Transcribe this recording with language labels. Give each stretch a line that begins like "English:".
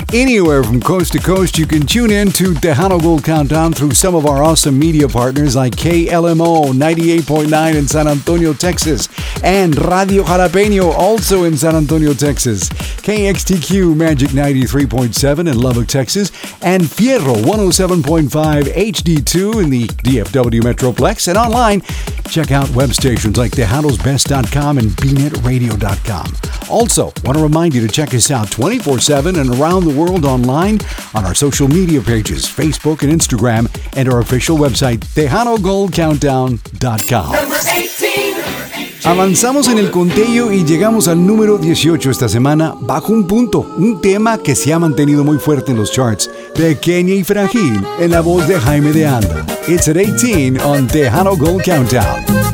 English: Anywhere from coast to coast, you can tune in to Tejano Gold Countdown through some of our awesome media partners like KLMO 98.9 in San Antonio, Texas, and Radio Jalapeno, also in San Antonio, Texas, KXTQ Magic 93.7 in Lubbock, Texas, and Fierro 107.5 HD2 in the DFW Metroplex, and online, check out web stations like TejanosBest.com and BNetRadio.com. Also, want to remind you to check us out 24/7 and around the world online on our social media pages, Facebook and Instagram, and our official website, TejanoGoldCountdown.com.
Spanish: Avanzamos en el conteo y llegamos al número 18 esta semana, bajo un punto, un tema que se ha mantenido muy fuerte en los charts, Pequeña y Frágil, en la voz de Jaime de Anda.
English: It's at 18 on Tejano Gold Countdown.